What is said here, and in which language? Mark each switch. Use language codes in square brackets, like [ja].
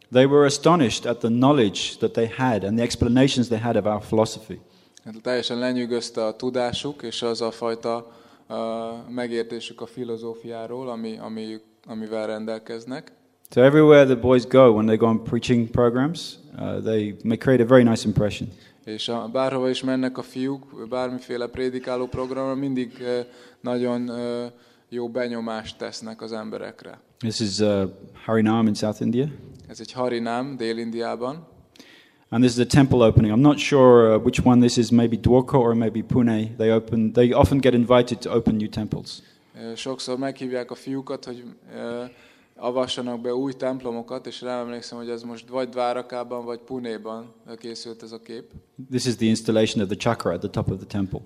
[en] They were astonished at the knowledge that they had and the explanations they had of our philosophy. [hu] Teljesen lenyűgözte a tudásuk és az a fajta megértésük a filozófiáról, amivel rendelkeznek. [en] So everywhere the boys go when they go on preaching programs, they may create a very nice impression. [hu] És bárhova is mennek a fiúk, bármiféle prédikáló programra, mindig nagyon jó benyomást tesznek az emberekre. [en] This is Harinam in South India. [hu] Ez egy Harinam, Dél-Indiában. [en] And this is a temple opening. I'm not sure which one this is, maybe Dwarka or maybe Pune. They often get invited to open new temples. [hu] Sokszor meghívják a fiúkat, hogy avassanak be új templomokat, és emlékszem, hogy ez most vagy Dvárakában, vagy Pune-ban készült ez a kép. [en] This is the installation of the chakra at the top of the temple.